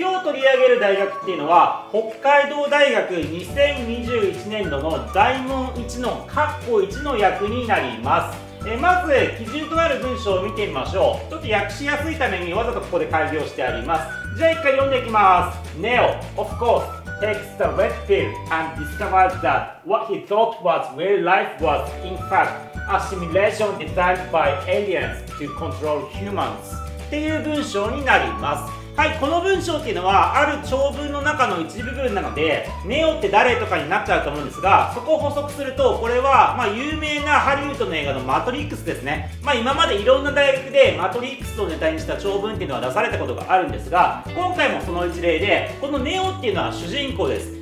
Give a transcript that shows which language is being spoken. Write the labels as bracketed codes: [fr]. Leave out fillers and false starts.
[ja] 今日取り上げる大学っていうのは、北海道大学2021年度の大問1の括弧1の役になります。まず、基準となる文章を見てみましょう。ちょっと訳しやすいためにわざとここで改行してあります。じゃあ一回読んでいきます。 [en] Neo, of course, takes the red pill and discovers that what he thought was real life was, in fact,Assimilation designed by aliens to control humans [ja] っていう文章になります。はい、この文章っていうのはある長文の中の一部分なので、ネオって誰とかになっちゃうと思うんですが、そこを補足すると、これは、まあ有名なハリウッドの映画のマトリックスですね。まあ今までいろんな大学でマトリックスをネタにした長文っていうのは出されたことがあるんですが、今回もその一例で、このネオっていうのは主人公です。